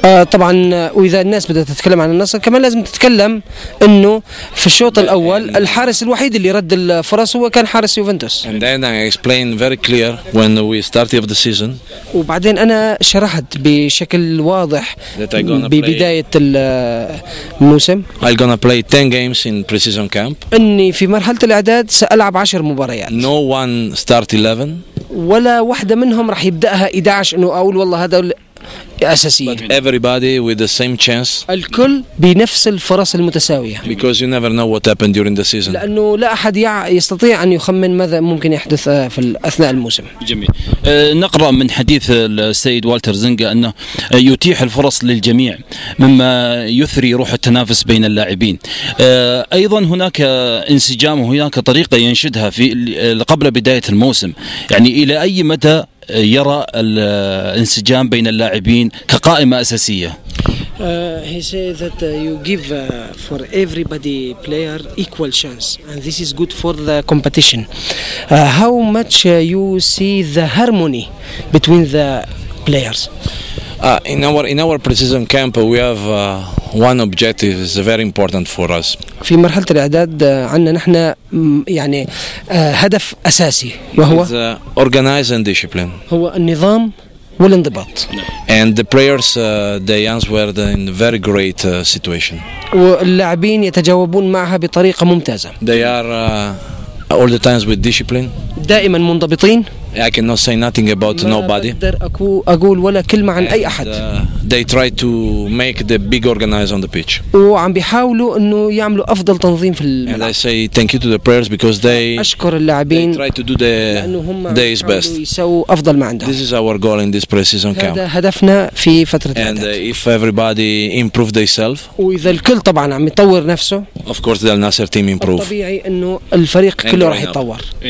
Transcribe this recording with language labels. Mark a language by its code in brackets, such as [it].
[ar] طبعا وإذا الناس بدأت تتكلم عن النصر كمان لازم تتكلم إنه في الشوط الأول الحارس الوحيد اللي رد الفرص هو كان حارس يوفنتوس. [en] And then I explained very clear when we started of the season. [ar] وبعدين أنا شرحت بشكل واضح ببداية الموسم. [en] I'm gonna play 10 games in pre-season camp. [ar] إني في مرحلة الإعداد سألعب 10 مباريات. [en] No one start 11. [ar] ولا واحدة منهم راح يبدأها 11 إنه أقول والله هذا. [en] But everybody with the same chance. [ar] الكل بنفس الفرص المتساوية. [en] Because you never know what happened during the season. [ar] لأنه لا أحد يستطيع أن يخمن ماذا ممكن يحدث في أثناء الموسم. جميل. نقرأ من حديث السيد والتر زنقة أنه يتيح الفرص للجميع، مما يثري روح التنافس بين اللاعبين. أيضا هناك انسجام وهناك طريقة ينشدها في قبل بداية الموسم. يعني إلى أي مدى يرى الانسجام بين اللاعبين كقائمة أساسية؟ [en] He says that you give for everybody player equal chance, and this is good for the competition. How much you see the harmony between the players? In our pre-season camp, we have one objective is very important for us. [ar] في مرحلة الإعداد عنا نحن يعني هدف أساسي وهو [en] organize and discipline. [ar] هو النظام والانضباط. [en] And the players they answered in very great situation. [ar] واللاعبين يتجاوبون معها بطريقة ممتازة. [en] They are all the times with discipline. [ar] دائما منضبطين. [en] I cannot say nothing about nobody. [ar] ما أقدر أقول ولا كلمة عن أي أحد. [en] They try to make the big organize on the pitch. [ar] وعم بيحاولوا إنه يعملوا أفضل تنظيم في الملعب. [en] And I say thank you to the players because they. [ar] أشكر اللاعبين. [en] They try to do the day's best. [ar] يسووا أفضل ما عندهم. [en] This is our goal in this pre-season camp. [ar] هذا هدفنا في فترة الإعداد. [en] And if everybody improve themselves. [ar] وإذا الكل طبعاً عم يطور نفسه. [en] Of course the Nasser team improve. [ar] طبيعي إنه الفريق كله راح يتطور.